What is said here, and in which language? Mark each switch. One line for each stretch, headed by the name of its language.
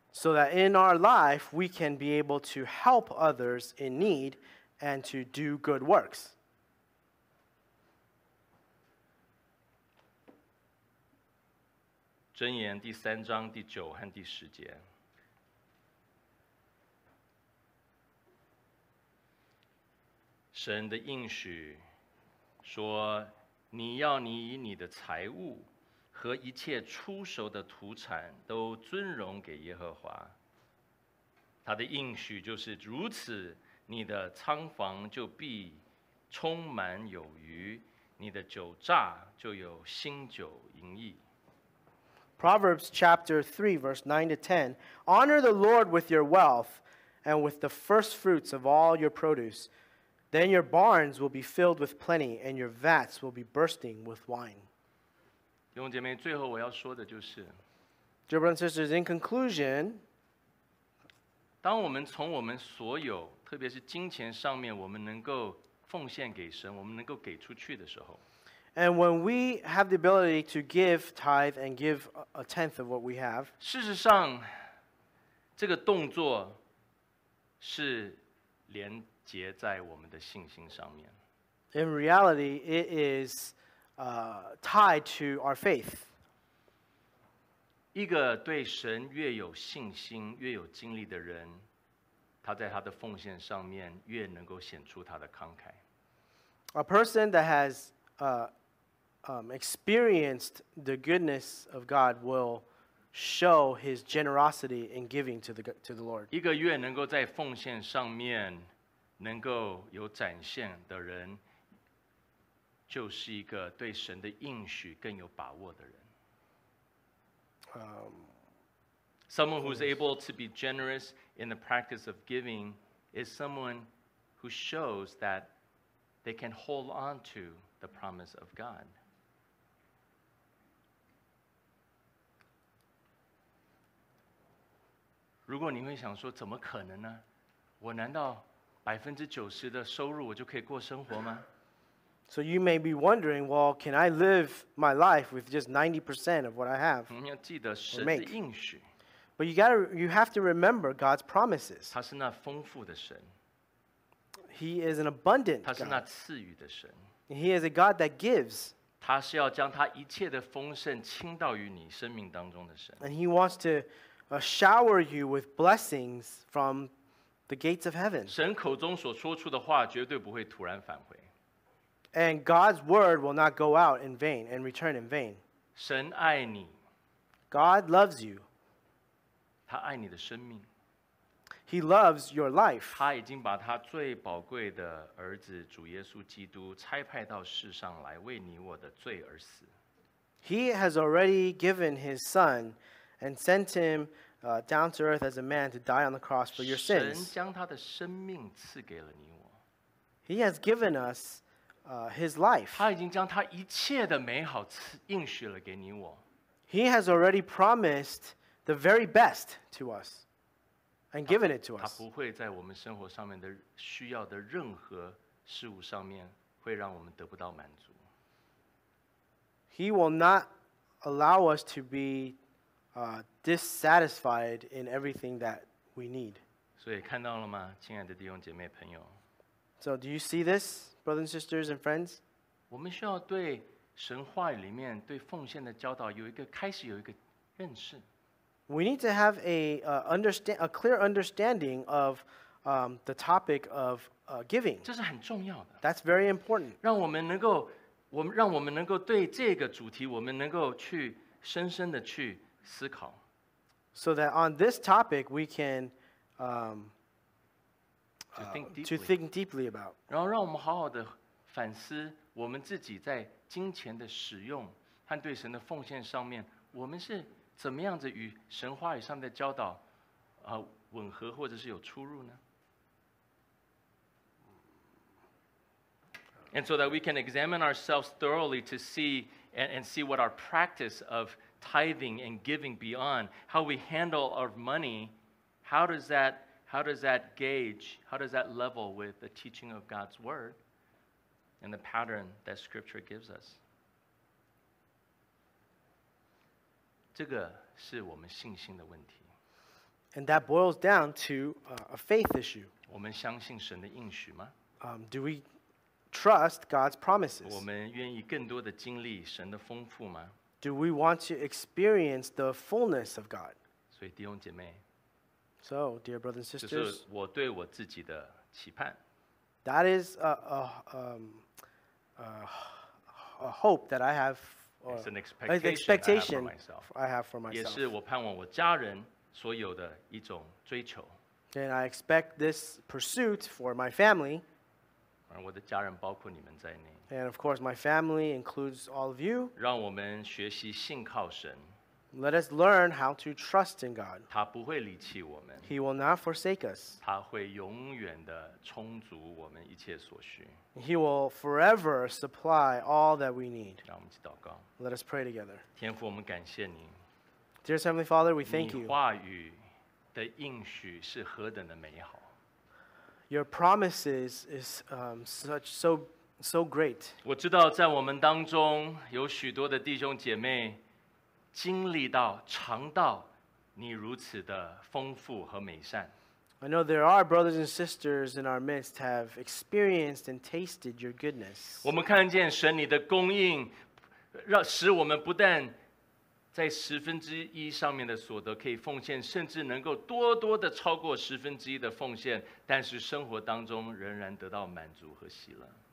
English: So that in our life, we can be able to help others in need and to do good works.
Chinese: 箴言第三章第九和第十节。神的应许说，你要你以你的财物和一切出熟的土产都尊荣给耶和华。他的应许就是如此，你的仓房就必充满有余，你的酒榨就有新酒盈溢。
English: Proverbs chapter 3 verse 9 to 10, honor the Lord with your wealth and with the first fruits of all your produce. Then your barns will be filled with plenty and your vats will be bursting with wine.
Chinese: 弟兄姐妹，最后我要说的就是
English: Dear brothers and sisters, in conclusion,
Chinese: 当我们从我们所有，特别是金钱上面，我们能够奉献给神，我们能够给出去的时候
English: And when we have the ability to give tithe and give a tenth of what we have,
Chinese: 事实上，这个动作是连结在我们的信心上面。
English: In reality, it is tied to our faith.
Chinese: 一个对神越有信心、越有经历的人，他在他的奉献上面越能够显出他的慷慨。
English: A person that has experienced the goodness of God will show his generosity in giving to the Lord.
Chinese: 一个越能够在奉献上面能够有展现的人，就是一个对神的应许更有把握的人。
English: Someone who's able to be generous in the practice of giving is someone who shows that they can hold on to the promise of God.
Chinese: 如果你会想说，怎么可能呢？我难道90%的收入我就可以过生活吗？
English: So you may be wondering, well, can I live my life with just 90% of what I have?
Chinese: 你要记得神的应许。
English: But you have to remember God's promises.
Chinese: 他是那丰富的神。
English: He is an abundant God.
Chinese: 他是那赐予的神。
English: He is a God that gives.
Chinese: 他是要将他一切的丰盛倾倒于你生命当中的神。
English: And he wants to shower you with blessings from the gates of heaven.
Chinese: 神口中所说出的话绝对不会突然返回。
English: And God's word will not go out in vain and return in vain.
Chinese: 神爱你。
English: God loves you.
Chinese: 他爱你的生命。
English: He loves your life.
Chinese: 他已经把他最宝贵的儿子主耶稣基督差派到世上来为你我的罪而死。
English: He has already given his son and sent him down to earth as a man to die on the cross for your sins.
Chinese: 神将他的生命赐给了你我。
English: He has given us his life.
Chinese: 他已经将他一切的美好应许了给你我。
English: He has already promised the very best to us and given it to us.
Chinese: 他不会在我们生活上面的需要的任何事物上面会让我们得不到满足。
English: He will not allow us to be dissatisfied in everything that we need.
Chinese: 所以看到了吗，亲爱的弟兄姐妹朋友？
English: So do you see this, brothers and sisters and friends?
Chinese: 我们需要对神话语里面对奉献的教导有一个开始有一个认识。
English: We need to have a clear understanding of the topic of giving.
Chinese: 这是很重要的。
English: That's very important.
Chinese: 让我们能够对这个主题，我们能够去深深的去思考。
English: So that on this topic we can to think deeply about.
Chinese: 然后让我们好好的反思我们自己在金钱的使用和对神的奉献上面，我们是怎么样子与神话语上的教导吻合或者是有出入呢？
English: And so that we can examine ourselves thoroughly to see and see what our practice of tithing and giving beyond, how we handle our money, how does that gauge, how does that level with the teaching of God's word and the pattern that scripture gives us.
Chinese: 这个是我们信心的问题。
English: And that boils down to a faith issue.
Chinese: 我们相信神的应许吗？
English: Do we trust God's promises?
Chinese: 我们愿意更多的经历神的丰富吗？
English: Do we want to experience the fullness of God?
Chinese: 所以弟兄姐妹，
English: So, dear brothers and sisters,
Chinese: 这是我对我自己的期盼。
English: That is a hope that I have. It's an expectation I have for myself.
Chinese: 也是我盼望我家人所有的一种追求。
English: And I expect this pursuit for my family.
Chinese: 而我的家人包括你们在内。
English: And of course, my family includes all of you.
Chinese: 让我们学习信靠神。
English: Let us learn how to trust in God.
Chinese: 他不会离弃我们。
English: He will not forsake us.
Chinese: 他会永远地充足我们一切所需。
English: He will forever supply all that we need.
Chinese: 让我们一起祷告。
English: Let us pray together.
Chinese: 天父，我们感谢你。
English: Dear Heavenly Father, we thank you.
Chinese: 你话语的应许是何等的美好。
English: Your promises is so great.
Chinese: 我知道在我们当中有许多的弟兄姐妹经历到尝到你如此的丰富和美善。
English: I know there are brothers and sisters in our midst have experienced and tasted your goodness.
Chinese: 我们看见神你的供应让使我们不但在十分之一上面的所得可以奉献，甚至能够多多的超过十分之一的奉献，但是生活当中仍然得到满足和喜乐。